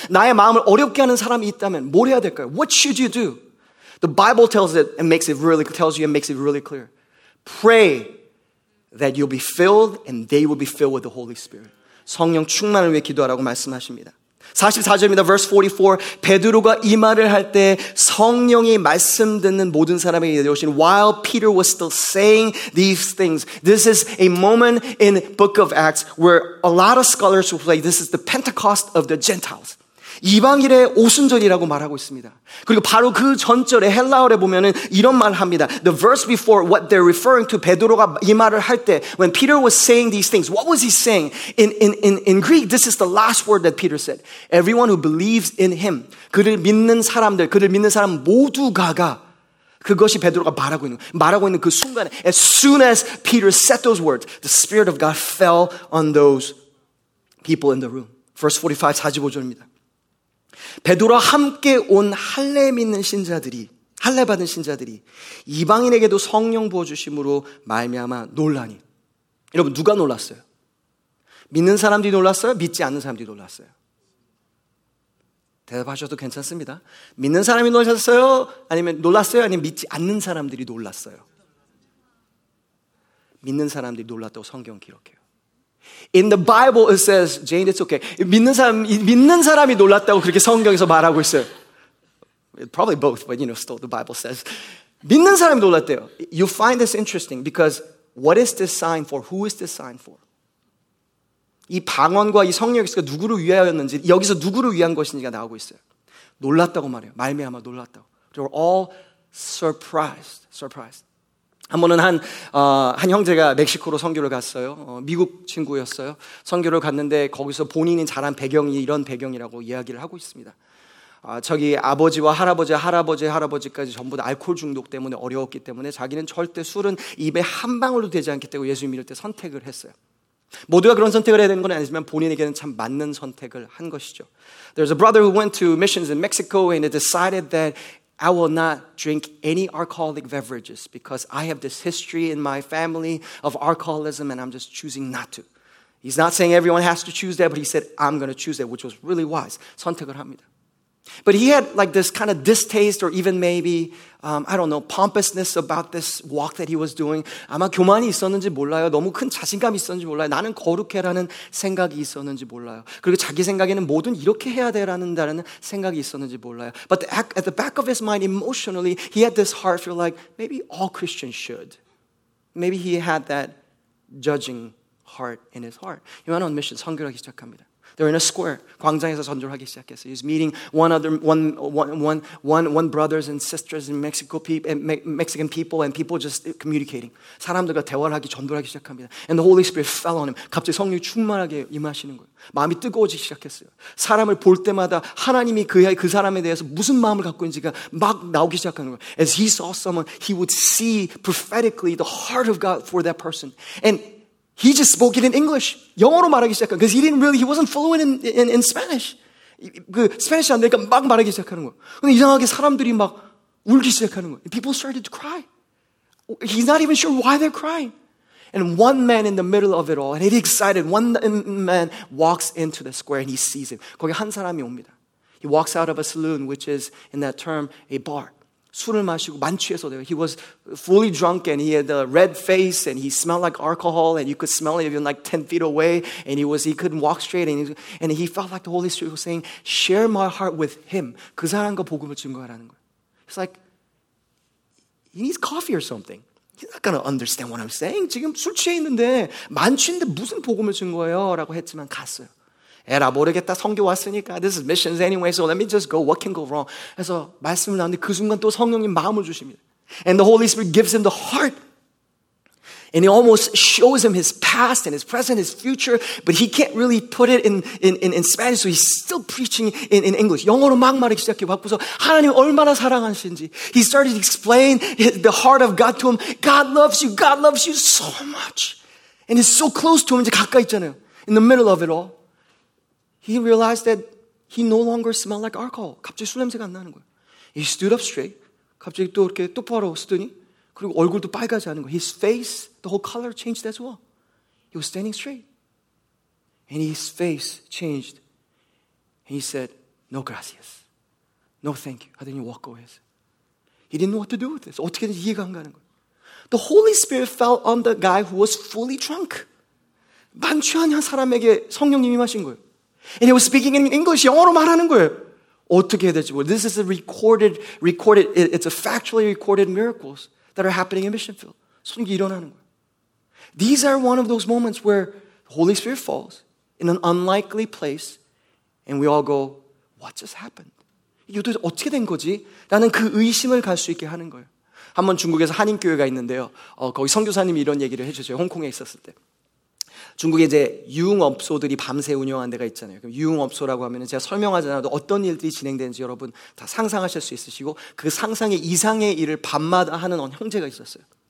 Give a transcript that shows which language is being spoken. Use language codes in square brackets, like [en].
[ko] 나의 마음을 어렵게 하는 사람이 있다면 뭘 해야 될까요? [en] What should you do? The Bible tells you and makes it really clear. Pray that you'll be filled and they will be filled with the Holy Spirit. [ko] 성령 충만을 위해 기도하라고 말씀하십니다. 44절입니다. [en] Verse 44. [ko] 베드로가 이 말을 할 때 성령이 말씀 듣는 모든 사람에게 내려오신 [en] while Peter was still saying these things. This is a moment in the book of Acts where a lot of scholars will say this is the Pentecost of the Gentiles. [ko] 이방인의 오순절이라고 말하고 있습니다. 그리고 바로 그 전절에 헬라어를 보면은 이런 말을 합니다. [en] The verse before what they're referring to, [ko] 베드로가 이 말을 할 때, [en] when Peter was saying these things, what was he saying? In Greek, this is the last word that Peter said. Everyone who believes in him, [ko] 그를 믿는 사람들, 그를 믿는 사람 모두가가 그것이 베드로가 말하고 있는 그 순간에, [en] as soon as Peter said those words, the Spirit of God fell on those people in the room. Verse 45, [ko] 45절입니다. 베드로와 함께 온 할례 믿는 신자들이 할례 받은 신자들이 이방인에게도 성령 부어 주심으로 말미암아 놀라니. 여러분 누가 놀랐어요? 믿는 사람들이 놀랐어요? 믿지 않는 사람들이 놀랐어요? 대답하셔도 괜찮습니다. 믿는 사람이 놀랐어요? 아니면 놀랐어요? 아니면 믿지 않는 사람들이 놀랐어요? 믿는 사람들이 놀랐다고 성경 기록해요. [en] In the Bible it says, Jane, it's okay. [ko] 믿는 사람이 놀랐다고 그렇게 성경에서 말하고 있어요. [en] Probably both, but you know, still the Bible says. [ko] 믿는 사람이 놀랐대요. [en] You find this interesting because what is this sign for? Who is this sign for? [ko] 이 방언과 이 성령에서 누구를 위하였는지, 여기서 누구를 위한 것인지가 나오고 있어요. 놀랐다고 말해요. 말미암아 놀랐다고. [en] They were all surprised. [ko] 한 번은 한 형제가 멕시코로 선교를 갔어요. 미국 친구였어요. 선교를 갔는데 거기서 본인이 자란 배경이 이런 배경이라고 이야기를 하고 있습니다. 저기 아버지와 할아버지까지 전부 다 알코올 중독 때문에 어려웠기 때문에 자기는 절대 술은 입에 한 방울도 되지 않기 때문에 예수 믿을 때 선택을 했어요. 모두가 그런 선택을 해야 되는 건 아니지만 본인에게는 참 맞는 선택을 한 것이죠. [en] There's a brother who went to missions in Mexico and he decided that I will not drink any alcoholic beverages because I have this history in my family of alcoholism and I'm just choosing not to. He's not saying everyone has to choose that, but he said, I'm going to choose that, which was really wise. [ko] 선택을 합니다. [en] But he had like this kind of distaste or even maybe, I don't know, pompousness about this walk that he was doing. [ko] 아마 교만이 있었는지 몰라요. 너무 큰 자신감이 있었는지 몰라요. 나는 거룩해라는 생각이 있었는지 몰라요. 그리고 자기 생각에는 뭐든 이렇게 해야 되라는 생각이 있었는지 몰라요. [en] But at the back of his mind, emotionally, he had this heart feel like maybe all Christians should. Maybe he had that judging heart in his heart. He went on mission, [ko] 선교하기 시작합니다. [en] They're in a square. [ko] 광장에서 전도를 하기 시작했어요. [en] He's meeting one brothers and sisters in Mexico people and Mexican people and people just communicating. [ko] 사람들과 대화를 하기 전도를 하기 시작합니다. [en] And the Holy Spirit fell on him. [ko] 갑자기 성령이 충만하게 임하시는 거예요. 마음이 뜨거워지기 시작했어요. 사람을 볼 때마다 하나님이 그 사람에 대해서 무슨 마음을 갖고 있는지가 막 나오기 시작하는 거예요. [en] As he saw someone, he would see prophetically the heart of God for that person. And he just spoke it in English. [ko] 영어로 말하기 시작한 거예요. [en] Because he wasn't fluent in Spanish. [ko] 그 스페니쉬 안 되니까 막 말하기 시작하는 거예요. 근데 이상하게 사람들이 막 울기 시작하는 거예요. [en] People started to cry. He's not even sure why they're crying. And one man in the middle of it all, and he's excited. One man walks into the square and he sees him. [ko] 거기 한 사람이 옵니다. [en] He walks out of a saloon, which is in that term a bar. [ko] 술을 마시고 만취해서 돼요. [en] He was fully drunk and he had a red face and he smelled like alcohol and you could smell it even like 10 feet away and he couldn't walk straight and he felt like the Holy Spirit was saying, share my heart with him. [ko] 그 사람과 복음을 증거하라는 거예요. [en] He's like, he needs coffee or something. He's not going to understand what I'm saying. [ko] 지금 술 취해 있는데 만취인데 무슨 복음을 증거해요? 라고 했지만 갔어요. 에라 모르겠다. 성교 왔으니까. [en] This is missions anyway, so let me just go. What can go wrong? [ko] 그래서 말씀을 나는데 그 순간 또 성령님 마음을 주십니다. [en] And the Holy Spirit gives him the heart. And he almost shows him his past and his present, his future. But he can't really put it in Spanish, so he's still preaching in English. [ko] 영어로 막 말하기 시작해요. 바꾸서 하나님 얼마나 사랑하시는지. [en] He started to explain the heart of God to him. God loves you. God loves you so much. And it's so close to him. [ko] 이제 가까이 있잖아요. [en] In the middle of it all. He realized that he no longer smelled like alcohol. [ko] 갑자기 술 냄새가 안 나는 거예요. [en] He stood up straight. [ko] 갑자기 또 이렇게 똑바로 서더니 그리고 얼굴도 빨개지는 거예요. [en] His face, the whole color changed as well. He was standing straight. And his face changed. And he said, [es] no gracias. [en] No thank you. [ko] 하더니 [en] walk away. He didn't know what to do with this. [ko] 어떻게 해야 이해가 안 가는 거예요. [en] The Holy Spirit fell on the guy who was fully drunk. [ko] 만취한 사람에게 성령님이 임하신 거예요. [en] And he was speaking in English, [ko] 영어로 말하는 거예요. 어떻게 해야 되지? [en] Well, this is a recorded, it's a factually recorded miracles that are happening in mission field. [ko] 성령이 일어나는 거예요. [en] These are one of those moments where the Holy Spirit falls in an unlikely place and we all go, what just happened? [ko] 이게 도대체 어떻게 된 거지? 라는 그 의심을 갈 수 있게 하는 거예요. 한번 중국에서 한인교회가 있는데요. 거기 선교사님이 이런 얘기를 해주셨어요. 홍콩에 있었을 때. 중국에 이제 유흥업소들이 밤새 운영한 데가 있잖아요. 그럼 유흥업소라고 하면은 제가 설명하지 않아도 어떤 일들이 진행되는지 여러분 다 상상하실 수 있으시고 그 상상의 이상의 일을 밤마다 하는 형제가 있었어요.